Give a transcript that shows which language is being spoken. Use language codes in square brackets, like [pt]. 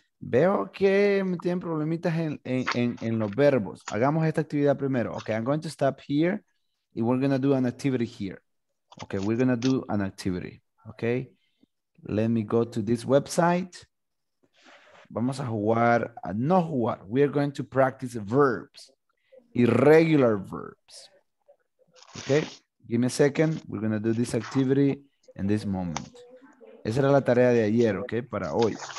[es] Veo que me tienen problemitas en los verbos. Hagamos esta actividad primero. [en] Okay, I'm going to stop here and we're going to do an activity here. Okay, we're going to do an activity. Okay, let me go to this website. [es] Vamos a jugar, no jugar. [en] We are going to practice verbs, irregular verbs. Okay, give me a second. We're going to do this activity in this moment. [es] Esa era la tarea de ayer, okay, para hoy.